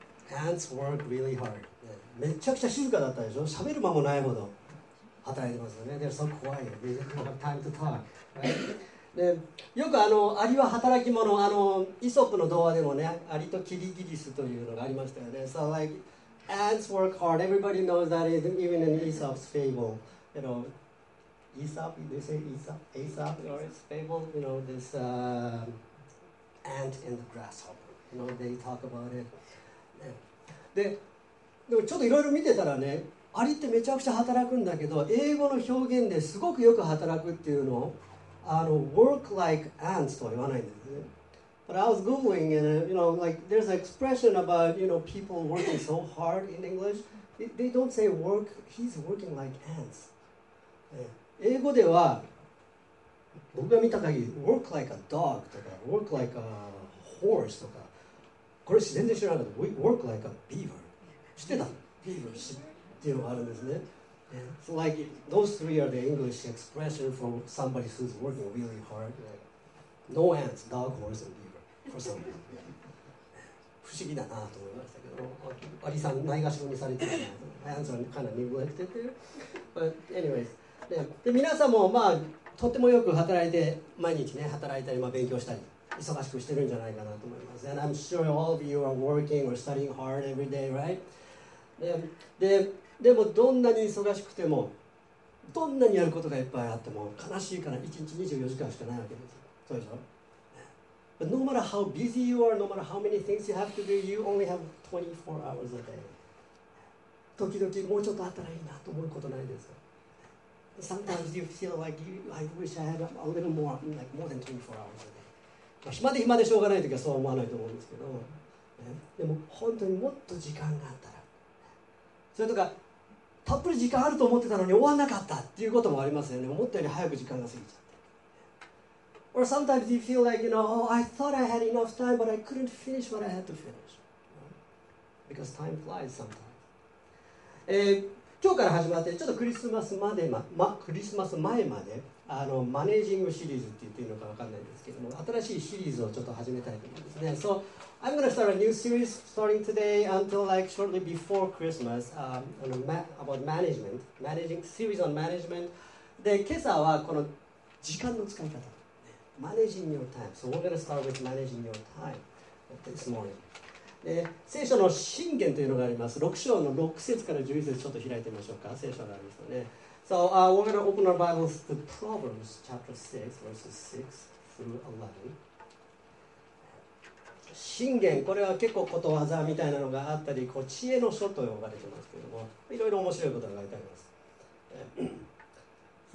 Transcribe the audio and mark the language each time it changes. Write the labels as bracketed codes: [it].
[en] Ants work really hard. [ja] めちゃくちゃ静かだったでしょ。喋る間もないほど働いてますよね。 [en] They're so quiet. They don't have time to talk. [ja] でよくアリは働き者、イソップの童話でもね、アリとキリギリスというのがありましたよね。 [en] So like, ants work hard. Everybody knows that is even in Aesop's fable. You know, Aesop, they say Aesop, or his fable, you know, this ant and the grasshopper. You know, they talk about it.、 [ja] ね、でもちょっといろいろ見てたらね、アリってめちゃくちゃ働くんだけど、英語の表現ですごくよく働くっていうのを、 [en] work like ants [ja] とは言わないんですね。 [en] But I was Googling, and, you know, like, there's an expression about, you know, people working so hard in English. They don't say work, he's working like ants. [ja] 英語では僕が見た限り [en] work like a dog [ja] とか [en] work like a horse [ja] とか、これ自然で知らなかった。 [en] work like a beaver [ja] 知ってた？beaver っていうのがあるんですね。 [en] So like those three are the English expression for somebody who's working really hard. No ants, dog, horse and beaver for some reason. [ja] 不思議だなと思いましたけど、アリさんないがしろにされてる。 [en] ants are kind of neglected there. But anyways, [ja] で皆さんも、まあ、とってもよく働いて、毎日、ね、働いたり、まあ、勉強したり忙しくしてるんじゃないかなと思います。 [en] And I'm sure all of you are working or studying hard every day, right? [ja] でもどんなに忙しくても、どんなにやることがいっぱいあっても、悲しいから1日24時間しかないわけです。そうでしょ。 [en] But no matter how busy you are, no matter how many things you have to do, you only have 24 hours a day. [ja] 時々もうちょっとあったらいいなと思うことないですか？ [en] Sometimes you feel like you, I wish I had a little more, like more than 24 hours a day. [ja] まあ、暇で暇でしょうがないときはそう思わないと思うんですけど、ね、でも本当にもっと時間があったら、それとかたっぷり時間あると思ってたのに終わらなかったっていうこともありますよね。思ったより早く時間が過ぎちゃって。 [en] Or sometimes you feel like, you know, oh, I thought I had enough time, but I couldn't finish what I had to finish. Because time flies sometimes. [ja] 今日から始まって、ちょっとクリスマスまで、クリスマス前まで、マネージングシリーズって言っているのか分かんないんですけども、新しいシリーズをちょっと始めたいと思いますね。 [en] So, I'm going to start a new series starting today until like shortly before Christmas, about management, managing series on management. [ja] で、今朝はこの時間の使い方、 [en] Managing your time. So, we're going to start with managing your time this morning. [ja] 聖書の箴言というのがあります。6章の6節から11節ちょっと開いてみましょうか。聖書がありますよね。 [en] So we're going to open our Bibles to Proverbs chapter 6 verses 6 through 11。 [ja] 箴言、これは結構ことわざみたいなのがあったり、こう知恵の書と呼ばれてますけれども、いろいろ面白いことが書いてあります。